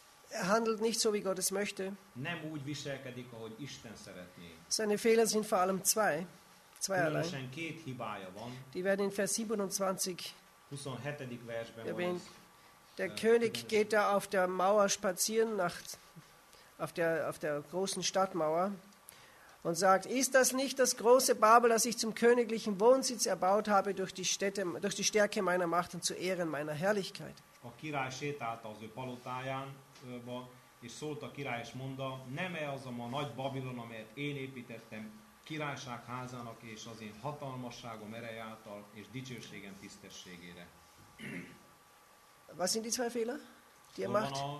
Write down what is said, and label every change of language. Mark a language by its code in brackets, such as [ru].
[de] Er handelt nicht so, wie Gott es möchte. [hu] Nem úgy viselkedik, ahogy Isten szeretné. [de] Seine Fehler sind vor allem zweierlei. [hu] Különösen két hibája van. [de] Die werden in Vers 27 [hu] 27. versben erwähnt. [de] Der König geht da auf der Mauer spazieren, auf der großen Stadtmauer und sagt, ist das nicht das große Babel, das ich zum königlichen Wohnsitz erbaut habe, durch die Stärke meiner Macht und zu Ehren meiner Herrlichkeit? [hu] A király sétált az ő palotáján, és szólt a király, és mondta, nem-e az a nagy Babilon, amelyet én építettem királyság házának, és az én hatalmasságom ereje által, és dicsőségem tisztességére. [de] Was sind die zwei Fehler, die er macht?